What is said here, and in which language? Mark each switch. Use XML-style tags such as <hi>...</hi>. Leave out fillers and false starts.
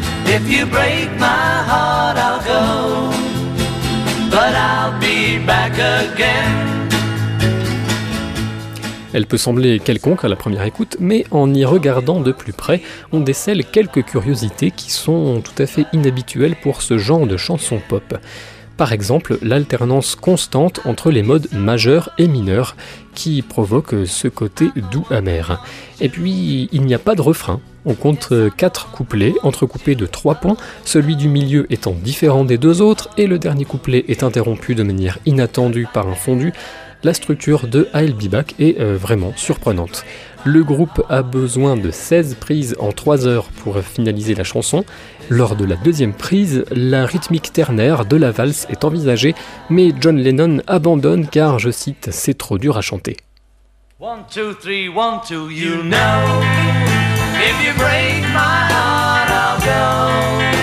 <en>If you break my heart, I'll go, but I'll be back again.</en> <fr>Elle peut sembler quelconque à la première écoute, mais en y regardant de plus près, on décèle quelques curiosités qui sont tout à fait inhabituelles pour ce genre de chanson pop. Par exemple, l'alternance constante entre les modes majeur et mineur, qui provoque ce côté doux-amer. Et puis, il n'y a pas de refrain. On compte 4 couplets, entrecoupés de 3 points, celui du milieu étant différent des deux autres, et le dernier couplet est interrompu de manière inattendue par un fondu. La structure de I'll Be Back est vraiment surprenante. Le groupe a besoin de 16 prises en 3 heures pour finaliser la chanson. Lors de la deuxième prise, la rythmique ternaire de la valse est envisagée, mais John Lennon abandonne car, je cite, c'est trop dur à chanter.</fr> <en>1, 2, 3, 1, 2, you know. If you break my heart, I'll go.</en>